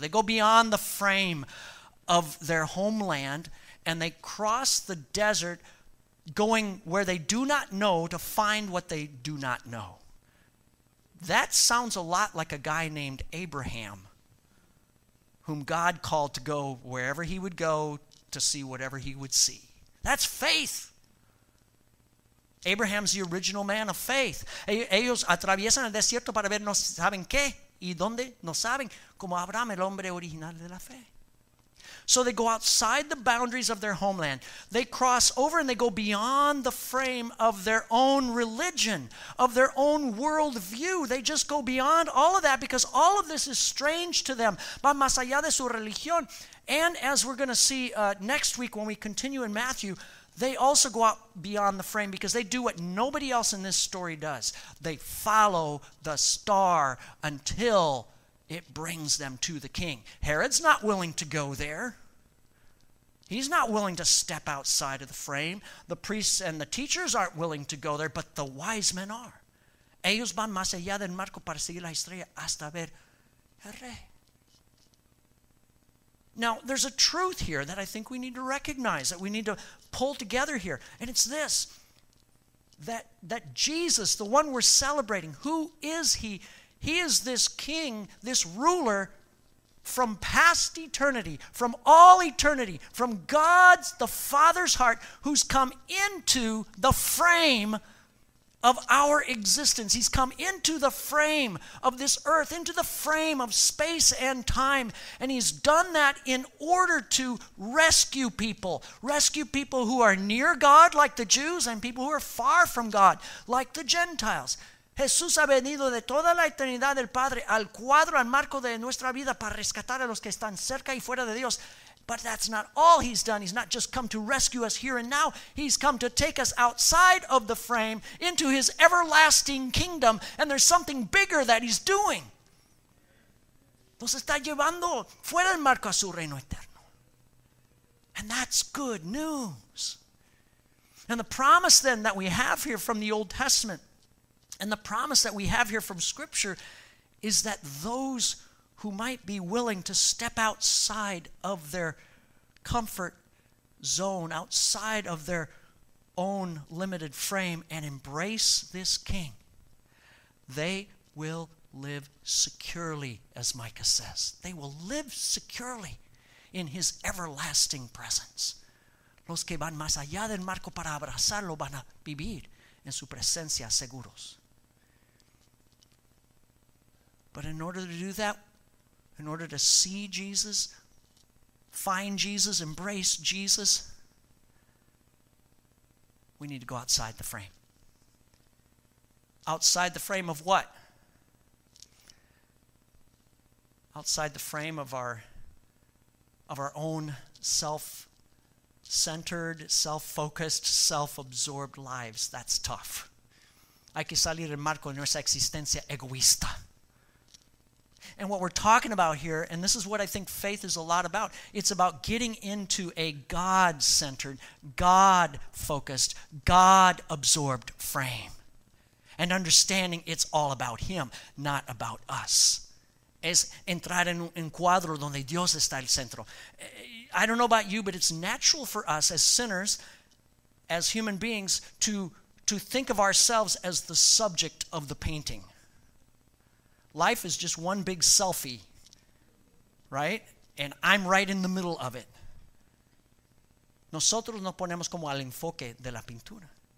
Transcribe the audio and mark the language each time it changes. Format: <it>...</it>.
<en>They go beyond the frame of their homeland, and they cross the desert going where they do not know to find what they do not know. That sounds a lot like a guy named Abraham, whom God called to go wherever he would go to see whatever he would see. That's faith. Abraham's the original man of faith.</en> <es>Ellos atraviesan el desierto para ver no saben qué y dónde, no saben, como Abraham, el hombre original de la fe.</es> <en>So they go outside the boundaries of their homeland. They cross over and they go beyond the frame of their own religion, of their own worldview. They just go beyond all of that because all of this is strange to them.</en> <es>Va más allá de su religión.</es> <en>And as we're going to see next week when we continue in Matthew, they also go out beyond the frame because they do what nobody else in this story does. They follow the star until it brings them to the king. Herod's not willing to go there. He's not willing to step outside of the frame. The priests and the teachers aren't willing to go there, but the wise men are.</en> <es>Ellos van más allá del marco para seguir la estrella hasta ver el rey.</es> <en>Now, there's a truth here that I think we need to recognize, that we need to pull together here, and it's this, that Jesus, the one we're celebrating, who is he? He is this king, this ruler from past eternity, from all eternity, from God's, the Father's heart, who's come into the frame of our existence. He's come into the frame of this earth, into the frame of space and time, and he's done that in order to rescue people who are near God, like the Jews, and people who are far from God, like the Gentiles.</en> <es>Jesús ha venido de toda la eternidad del Padre al cuadro, al marco de nuestra vida para rescatar a los que están cerca y fuera de Dios.</es> <en>But that's not all he's done. He's not just come to rescue us here and now. He's come to take us outside of the frame into his everlasting kingdom. And there's something bigger that he's doing.</en> <es>Nos está llevando fuera del marco a su reino eterno.</es> <en>And that's good news. And the promise then that we have here from the Old Testament, and the promise that we have here from Scripture, is that those who might be willing to step outside of their comfort zone, outside of their own limited frame, and embrace this king, they will live securely, as Micah says. They will live securely in his everlasting presence.</en> <es>Los que van más allá del marco para abrazarlo van a vivir en su presencia seguros.</es> <en>But in order to do that, in order to see Jesus, find Jesus, embrace Jesus, we need to go outside the frame. Outside the frame of what? Outside the frame of our own self-centered, self-focused, self-absorbed lives. That's tough.</en> <es>Hay que salir del marco de nuestra existencia egoísta.</es> <en>And what we're talking about here, and this is what I think faith is a lot about, it's about getting into a God-centered, God-focused, God-absorbed frame and understanding it's all about him, not about us.</en> <es>Es entrar en un cuadro donde Dios está el centro.</es> <en>I don't know about you, but it's natural for us as sinners, as human beings, to think of ourselves as the subject of the painting. Life is just one big selfie, right? And I'm right in the middle of it.</en> <es>Nosotros nos ponemos como al enfoque de la pintura.</es>